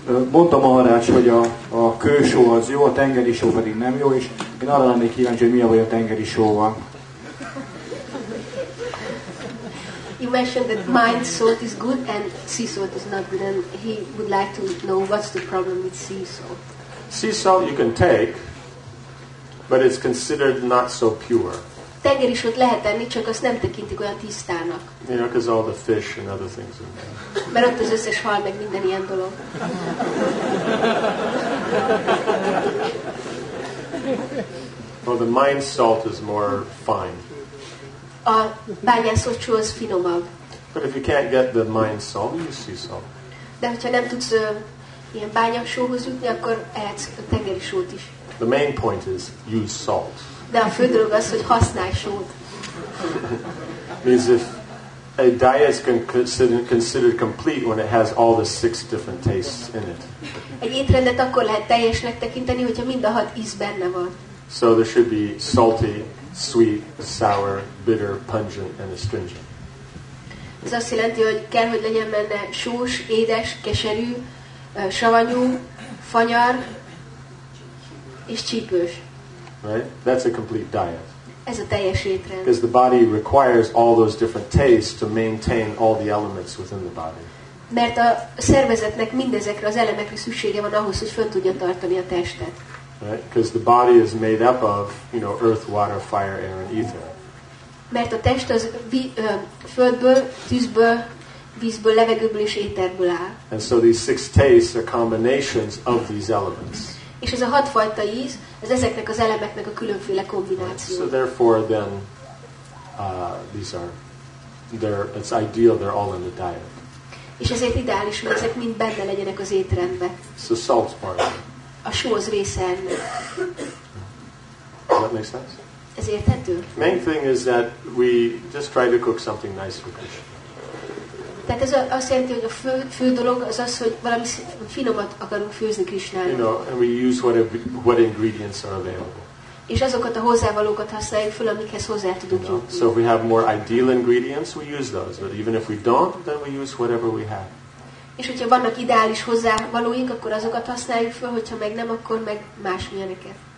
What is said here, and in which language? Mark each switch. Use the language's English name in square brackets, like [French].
[Hungarian] Mondta Maharács, hogy a kősó az jó, a tengeri só pedig nem jó, és én arra lennék kíváncsi, hogy mi a baj a tengeri sóval. [English] You mentioned that mild salt is good and sea salt is not good, and he would like to know what's the problem with sea salt. Sea salt you can take, but it's considered not so pure. [Hungarian] Tengeri sót lehet enni, csak azt nem tekintik olyan tisztának. [English] You know, because all the fish and other things in there. [Hungarian] Mert ott az összes hal, meg minden ilyen dolog. [English] Well, the mind salt is more fine. [Hungarian] A bányászócsú az finomabb. [English] But if you can't get the mind salt, you use sea salt. [Hungarian] De hogyha nem tudsz ilyen bányásóhoz jutni, akkor ehetsz a tengeri sót is. [English] The main point is, use salt. [Hungarian] De a fő dolog az, hogy használj sót. [English] Means if a diet is considered complete when it has all the six different tastes in it. [Hungarian] Egy étrendet akkor lehet teljesnek tekinteni, hogyha mind a hat íz benne van. [English] So there should be salty, sweet, sour, bitter, pungent and astringent. [Hungarian] Ez azt jelenti, hogy kell, hogy legyen benne sós, édes, keserű, savanyú, fanyar és csípős. [English] Right? That's a complete diet. [Hungarian] ez a teljes étrend. [English] Because the body requires all those different tastes to maintain all the elements within the body. [Hungarian] Mert a szervezetnek mindezekre az elemekre szüksége van ahhoz, hogy fönn tudja tartani a testet. [English] Right? Because the body is made up of, you know, earth, water, fire, air and ether. [Hungarian] Mert a test az földből, tűzből, vízből, levegőből és éterből áll. [English] And so these six tastes are combinations of these elements. [Hungarian] És ez a hat fajta íz, ez ezeknek az elemeknek a különféle kombináció. [English] So therefore then it's ideal they're all in the diet. [Hungarian] És ezért ideális, hogy ezek mind benne legyenek az étrendbe. [English] So salt's part of it. [Hungarian] A só az része ennek. [English] Does that make sense? [Hungarian] Ez érthető? [English] Main thing is that we just try to cook something nice for Krishna. [Hungarian] Tehát ez azt jelenti, hogy a fő dolog az az, hogy valami finomat akarunk főzni Krishnának. [English] You know, and we use what ingredients are available. [Hungarian] És azokat a hozzávalókat használjuk föl, amikhez hozzá tudunk jutni. [English] So if we have more ideal ingredients, we use those. But even if we don't, then we use whatever we have. [Hungarian] És hogyha vannak ideális hozzávalóink, akkor azokat használjuk föl, hogyha meg nem, akkor meg másmilyeneket.